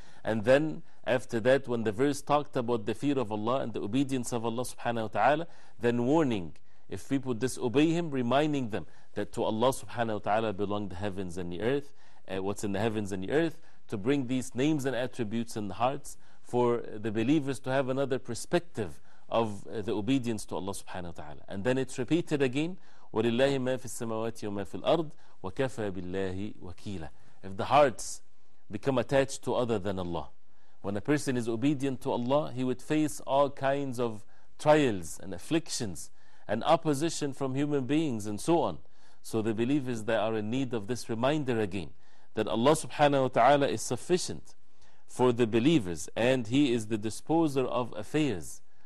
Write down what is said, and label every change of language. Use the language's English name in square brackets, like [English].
[English] And then after that, when the verse talked about the fear of Allah and the obedience of Allah subhanahu wa ta'ala, then warning if people disobey Him, reminding them that to Allah subhanahu wa ta'ala belong the heavens and the earth, what's in the heavens and the earth, to bring these names and attributes in the hearts for the believers to have another perspective of the obedience to Allah subhanahu wa ta'ala. And then it's repeated again, [Arabic] وَلِلَّهِ مَا فِي السَّمَوَاتِ وَمَا فِي الْأَرْضِ وَكَفَى بِاللَّهِ وَكِيلًا. [English] If the hearts become attached to other than Allah, when a person is obedient to Allah, he would face all kinds of trials and afflictions and opposition from human beings and so on. So the believers, they are in need of this reminder again, that Allah subhanahu wa ta'ala is sufficient for the believers, and He is the disposer of affairs.